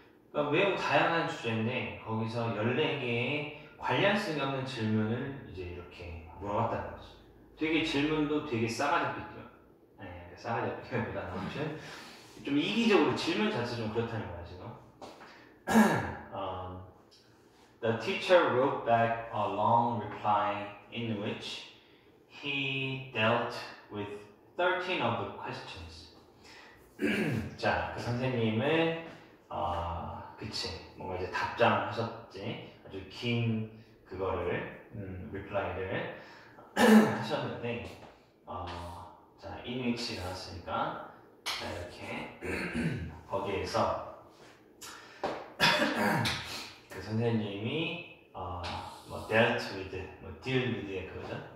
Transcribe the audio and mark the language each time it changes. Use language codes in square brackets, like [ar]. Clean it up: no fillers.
[ko] 그러니까 매우 다양한 주제인데 거기서 14개의 관련성이 없는 질문을 이제 이렇게 물어봤다는 거죠. 되게 질문도 되게 싸가지 없죠. 네, 싸가지 없기보다 아무튼 좀 이기적으로 질문 자체 좀 그렇다는 거야 지금. [en] the teacher wrote back a long reply in which he dealt with 13 of the questions. [ko] 자, 그 선생님은 그치 뭔가 이제 답장하셨지. 아주 긴 그거를 reply를 하셨는데 자, in which 나왔으니까 자, 이렇게 거기에서 그 선생님이 dealt with, 뭐 deal with 그거죠.